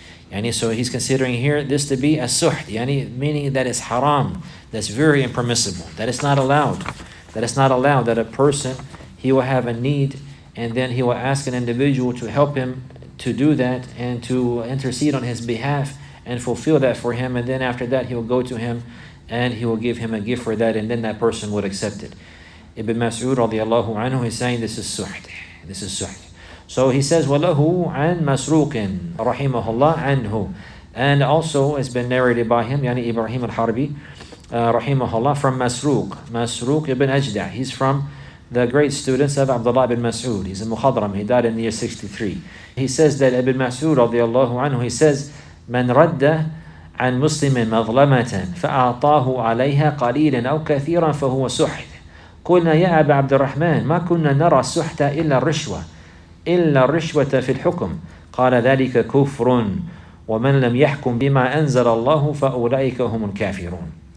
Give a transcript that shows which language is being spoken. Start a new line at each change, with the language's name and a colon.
English: And so he's considering here this to be as-suht, yani meaning that it's haram, that's very impermissible, that it's not allowed, that a person, he will have a need, and then he will ask an individual to help him to do that, and to intercede on his behalf, and fulfill that for him, and then after that he will go to him, and he will give him a gift for that, and then that person would accept it. Ibn Mas'ud radiallahu anhu is saying this is suht. So he says,
Arabic: وَلَهُ عَنْ مَسْرُوقٍ رَحِمَهُ اللَّهُ عَنْهُ.
English: And also has been narrated by him, yani Ibrahim al-Harbi,
Arabic: رَحِمَهُ اللَّهُ,
English: from Masruq. Masruq ibn Ajda'. He's from the great students of Abdullah ibn Mas'ud. He's a Mukhadram. He died in the year 63. He says that Ibn Mas'ud radiallahu anhu, he says,
Arabic: مَنْ رَدَّ عَنْ مُسْلِمٍ مَظْلَمَةً فَأَعْطَاهُ عَلَيْهَا قَلِيلًا أَوْ كَثِيرًا فَهُوَ سُحْت. قُلْنَا يَا أَبَا عَبْدُ الرَّحْمَنِ مَا كُنَّا نَرَى السُحْتَ إِلَّا الرِّشْوَةَ إلا الرشوة في الحكم قال ذلك كفر ومن لم يحكم بما أنزل الله فأولئك هم الكافرون.